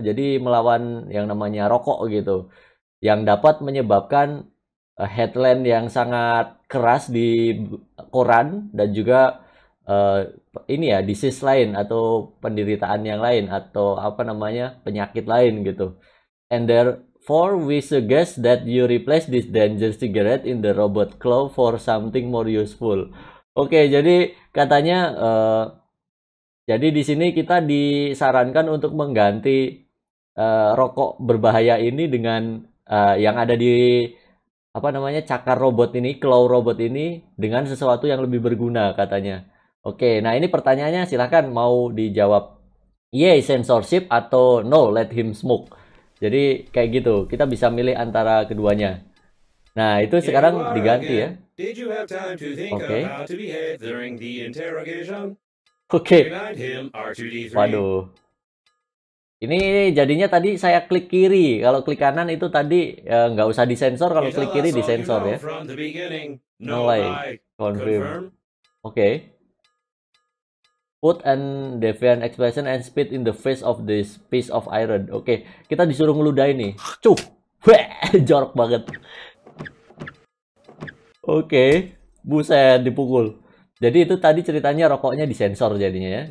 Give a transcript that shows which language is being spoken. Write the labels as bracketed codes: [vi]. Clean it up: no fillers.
[id] Jadi melawan yang namanya rokok gitu, yang dapat menyebabkan headline yang sangat keras di koran, dan juga ini ya, disease lain atau penderitaan yang lain atau apa namanya, penyakit lain gitu. [en] And therefore, we suggest that you replace this danger cigarette in the robot claw for something more useful. [id] Oke, jadi katanya, jadi di sini kita disarankan untuk mengganti rokok berbahaya ini dengan yang ada di apa namanya cakar robot ini, claw robot ini dengan sesuatu yang lebih berguna katanya. Oke, nah ini pertanyaannya silahkan mau dijawab [en] yay censorship [id] atau [en] no let him smoke. [id] Jadi kayak gitu, kita bisa milih antara keduanya. Nah, itu sekarang diganti ya. [en] Did you have time to think okay. about how to behave during the interrogation? Oke. Okay. [id] Waduh. Ini jadinya tadi saya klik kiri. Kalau klik kanan itu tadi nggak usah disensor. Kalau klik kiri disensor ya. Mulai. Confirm. Oke. Okay. [en] Put an defiant expression and spit in the face of this piece of iron. Oke. Okay. [id] Kita disuruh ngeludah ini. Cuk. Weh. Jorok banget. Oke, okay. Buset dipukul. Jadi itu tadi ceritanya rokoknya disensor jadinya ya.